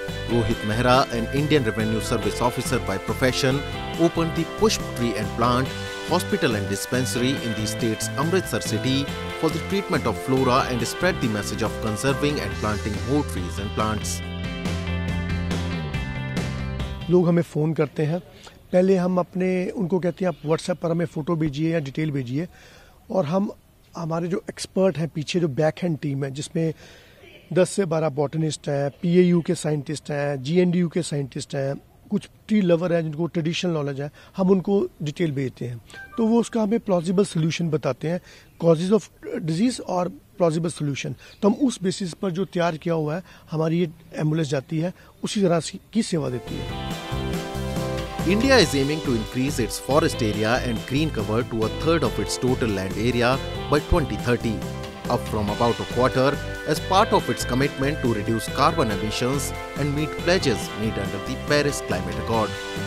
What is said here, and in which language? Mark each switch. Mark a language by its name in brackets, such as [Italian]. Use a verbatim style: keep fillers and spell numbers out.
[English] Rohit Mehra, an Indian Revenue Service officer by profession, opened the Pushp Tree and Plant Hospital and Dispensary in the state's Amritsar city for the treatment of flora and spread the message of conserving and planting more trees and plants. [Hindi] लोग हमें phone करते हैं, पहले हम अपने उनको कहते हैं आप व्हाट्सएप पर हमें फोटो भेजिए या डिटेल भेजिए, और हम हमारे जो एक्सपर्ट हैं पीछे जो बैक हैंड टीम है जिसमें दस से बारह बॉटनिस्ट हैं, पीएयू के साइंटिस्ट हैं, जीएनडीयू के साइंटिस्ट हैं, कुछ ट्री लवर हैं जिनको ट्रेडिशनल नॉलेज है, हम उनको डिटेल भेजते हैं तो वो उसका हमें प्लॉजिबल सोल्यूशन बताते हैं, कॉजेज ऑफ डिजीज और प्लॉजिबल सोल्यूशन। तो हम उस बेसिस पर जो तैयार किया हुआ है हमारी ये एम्बुलेंस जाती है उसी तरह की सेवा देती है। [English] India is aiming to increase its forest area and green cover to a third of its total land area by twenty thirty, up from about a quarter, as part of its commitment to reduce carbon emissions and meet pledges made under the Paris Climate Accord.